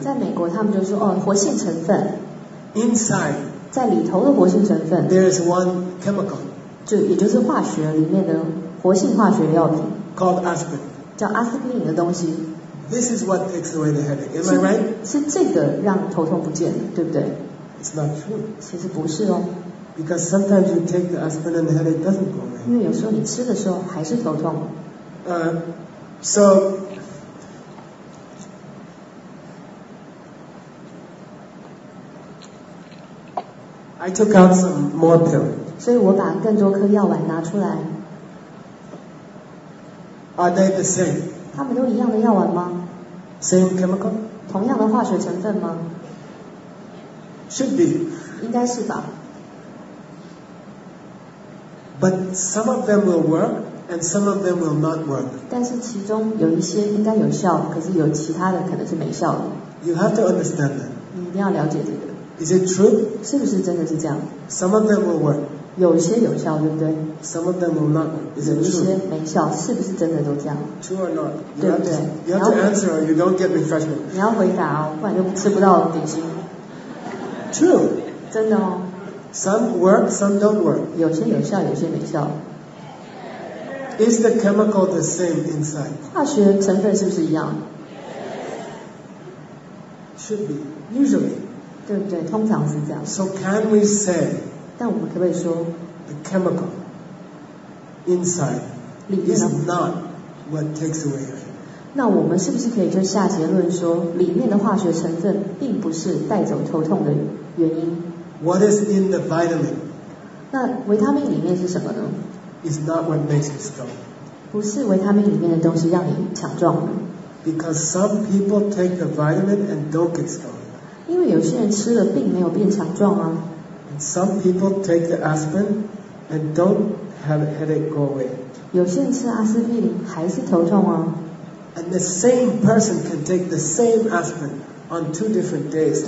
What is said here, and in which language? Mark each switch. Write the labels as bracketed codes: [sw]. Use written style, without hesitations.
[zh] 在美国他们就说哦，活性成分。 [en] Inside. [zh] 在里头的活性成分。 [en] There is one chemical. [zh] 就也就是化学里面的活性化学药品。 [en] Called aspirin. [zh] 叫阿司匹林的东西。 [en] This is what takes away the headache, am I right? [zh] 是这个让头痛不见了，对不对？ [en] It's not true. [zh] 其实不是哦。 [en] Because sometimes you take the aspirin and the headache doesn't go away. [zh] 因为有时候你吃的时候还是头痛。 [en] So, I took out some more pill. [zh] 所以我把更多颗药丸拿出来。 [en] Are they the same? [zh] 他们都一样的药丸吗？ [en] Same chemical? [zh] 同样的化学成分吗？ [en] Should be. [zh] 应该是吧。 [en] But some of them will work. And some of them will not work. [zh] 但是其中有一些应该有效，可是有其他的可能是没效的。 [en] You have to understand that. [zh] 你一定要了解这个。 [en] Is it true? [zh] 是不是真的是这样？ [en] Some of them will work. [zh] 有些有效，对不对？ [en] Some of them will not. Is it true? [zh] 有一些没效，是不是真的都这样？ [en] True or not? [zh] 对不对？ [en] You have to answer or you don't get refreshment. [zh] 你要回答哦，不然就吃不到点心。 [en] True. [zh] 真的哦。 [en] Some work, some don't work. [zh] 有些有效，有些没效。 [en] Is the chemical the same inside? [zh] 化学成分是不是一样？ [en] Should be, usually. [zh] 对不对？通常是这样。 [en] So can we say? [zh] 但我们可不可以说？ [en] The chemical inside is not what takes away your headache. [zh] 那我们是不是可以就下结论说，里面的化学成分并不是带走头痛的原因？ [en] What is in the vitamin? [zh] 那维他命里面是什么呢？ [en] Is not what makes you strong. [zh] 不是维他命里面的东西让你强壮。 [en] Because some people take the vitamin and don't get strong. [zh] 因为有些人吃了并没有变强壮啊。 [en] And some people take the aspirin and don't have a headache go away. [zh] 有些人吃阿司匹林还是头痛啊。 [en] And the same person can take the same aspirin on two different days.